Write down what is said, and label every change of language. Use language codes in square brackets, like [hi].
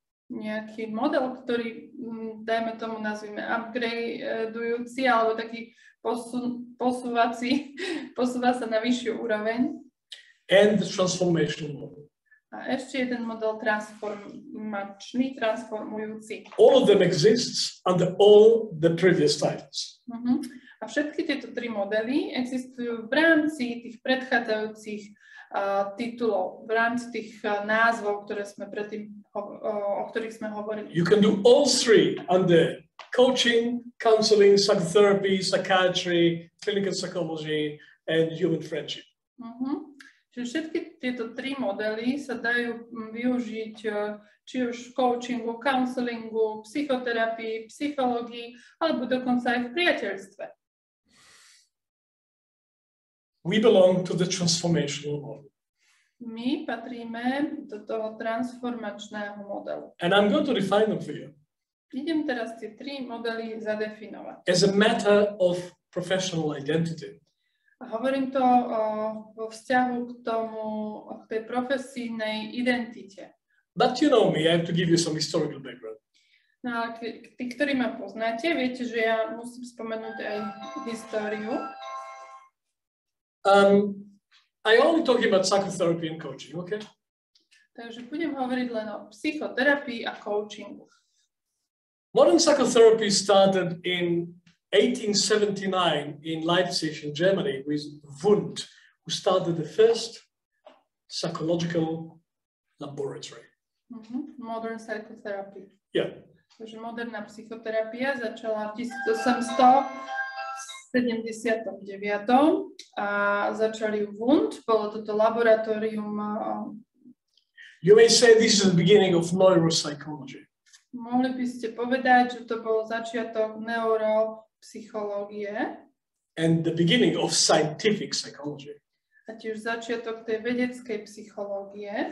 [sk] Nejaký model, ktorý, dajme tomu nazvime, upgradeujúci, alebo taký posúva sa na vyššiu úroveň. [en] And the transformation model. [sk] A ešte jeden model transformačný, transformujúci. [en] All of them exists under all the previous titles. [sk] A všetky tieto tri modely existujú v rámci tých predchádzajúcich titulov, v rámci tých názvov, ktoré sme predtým o ktorých sme hovorili. [en] You can do all three under coaching, counseling, psychotherapy, psychiatry, clinical psychology and human friendship. [sk] Čiže všetky tieto tri modely sa dajú využiť či už v coachingu, counselingu, psychoterapii, psychológii alebo dokonca aj v priateľstve. [en] We belong to the transformational model. [sk] My patríme do toho transformačného modelu. [en] And I'm going to define them for you. [sk] Idem teraz tie tri modely zadefinovať. [en] As a matter of professional identity. [sk] A hovorím to vo vzťahu k tomu, k tej profesijnej identite. [en] But you know me, I have to give you some historical background. [sk] No a tí, ktorí ma poznáte, viete, že ja musím spomenúť aj históriu. [en] I only talking about psychotherapy and coaching, okay? [sk] Takže budem hovoriť len o psychoterapii a coachingu. [en] Modern psychotherapy started in 1879 in Leipzig in Germany with Wundt, who started the first psychological laboratory. Mm-hmm. Modern psychotherapy. Yeah. [sk] Takže moderná psychoterapia začala v 1879 a začali Wundt, bolo toto laboratórium. [en] You may say this is the beginning of neuropsychology. [sk] Mohli by ste povedať, že to bol začiatok neuropsychológie. [en] And the beginning of scientific psychology. [sk] A tiež začiatok tej vedeckej psychológie.